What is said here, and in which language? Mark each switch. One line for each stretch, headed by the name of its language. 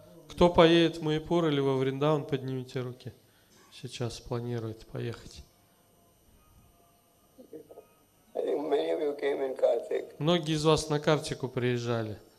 Russian: Кто поедет в Майяпур или во Вриндаван, поднимите руки. Сейчас планирует поехать.
English: I think many of you came in Kartik.
Russian: Многие из вас на Картику приезжали.